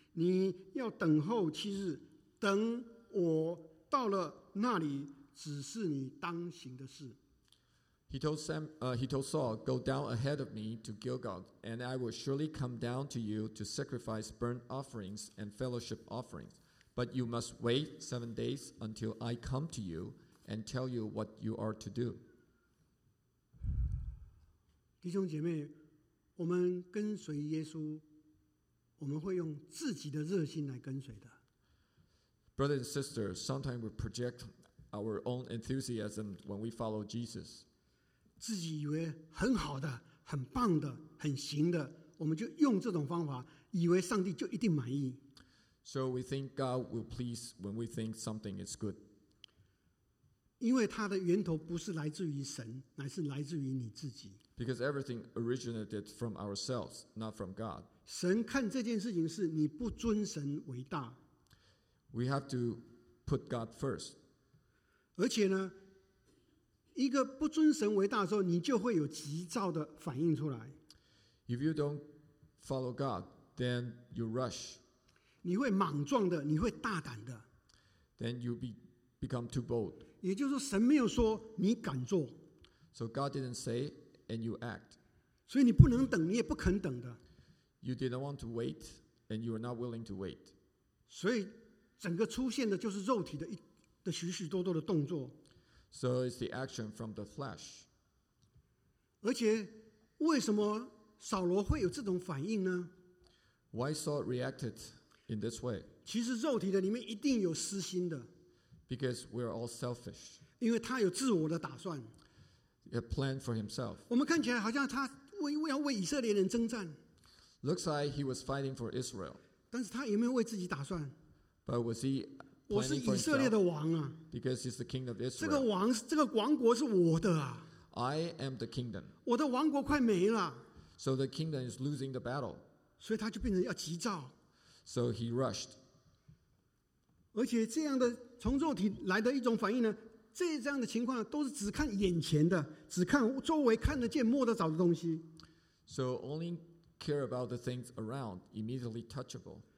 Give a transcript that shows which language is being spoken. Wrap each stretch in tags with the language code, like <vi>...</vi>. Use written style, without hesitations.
<zh>你要等候七日，等我到了那里，只是你当行的事。</zh> <en>He told Saul, go down ahead of me to Gilgal, and I will surely come down to you to sacrifice burnt offerings and fellowship offerings. But you must wait 7 days until I come to you and tell you what you are to do.</en> <zh>弟兄姐妹，我们跟随耶稣，我们会用自己的热心来跟随的。</zh> <en>Brother and sister, sometimes we project our own enthusiasm when we follow Jesus.</en> <zh>自己以为很好的、很棒的、很行的，我们就用这种方法，以为上帝就一定满意。</zh> <en>So we think God will please when we think something is good.</en> <zh>因为它的源头不是来自于神，乃是来自于你自己。</zh> <en>Because everything originated from ourselves, not from God.</en> <zh>神看这件事情是你不尊神为大。</zh> <en>We have to put God first.</en> <zh>而且呢，一个不尊神为大的时候，你就会有急躁的反应出来。</zh> <en>If you don't follow God, then you rush.</en> <zh>你会莽撞的，你会大胆的。</zh> <en>Then you become too bold.</en> <zh>也就是说，神没有说你敢做。</zh> <en>So God didn't say, and you act.</en> <zh>所以你不能等，你也不肯等的。</zh> <en>You didn't want to wait, and you are not willing to wait.</en> <zh>所以整个出现的就是肉体的许许多多的动作。</zh> <en>So it's the action from the flesh.</en> <zh>而且为什么扫罗会有这种反应呢？</zh> <en>Why Saul reacted in this way?</en> <zh>其实肉体的里面一定有私心的。</zh> <en>Because we are all selfish.</en> <zh>因为他有自我的打算。</zh> <en>A plan for himself.</en> <zh>我们看起来好像他要为以色列人征战。</zh> <en>Looks like he was fighting for Israel.</en> <zh>但是他有没有为自己打算？</zh> <en>But was he planning for himself?</en> <zh>我是以色列的王啊。</zh> <en>The king of Israel.</en> <zh>这个王国是我的啊。</zh> <en>I am the kingdom.</en> <zh>我的王国快没了。</zh> <en>So the kingdom is losing the battle.</en> <zh>所以他就变成要急躁。</zh> <en>So he rushed.</en> <zh>而且这样的从肉体来的一种反应呢，这样的情况都是只看眼前的，只看周围看得见摸得着的东西。</zh> <en>So only care about the things around, immediately touchable.</en>